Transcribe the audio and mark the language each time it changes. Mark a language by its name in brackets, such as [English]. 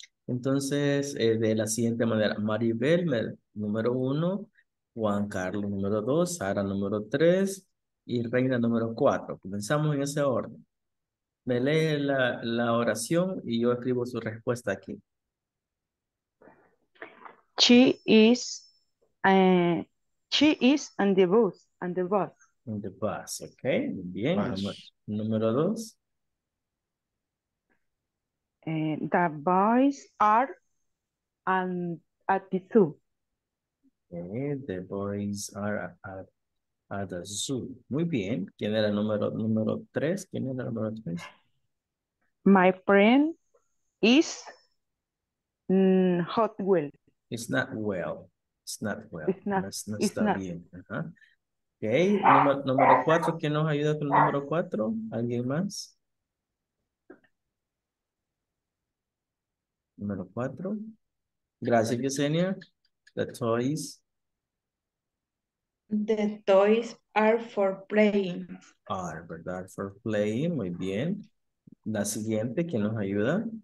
[Spanish] Entonces, de la siguiente manera, Maribel, número uno, Juan Carlos, número dos, Sara, número tres, y Reina, número cuatro. Comenzamos en ese orden. Me lee la oración y yo escribo su respuesta aquí. [English] She is on the bus, on the bus. On the bus, ok, [Spanish] bien. Número dos. [English] The boys are at the zoo. Okay, the boys are at the zoo. [Spanish] Muy bien. ¿Quién era el número tres? ¿Quién era el número tres? [English] My friend is not well. It's not well. It's not well. It's not, [Spanish] no [English] it's [Spanish] está [English] not. [Spanish] Bien. Ok, número cuatro, ¿quién nos ayuda con el número cuatro? ¿Alguien más? Número cuatro. Gracias, Yesenia. [English] The toys. The toys are for playing. [Spanish] Are, ¿verdad? [English] For playing, [Spanish] muy bien. La siguiente, ¿quién nos ayuda?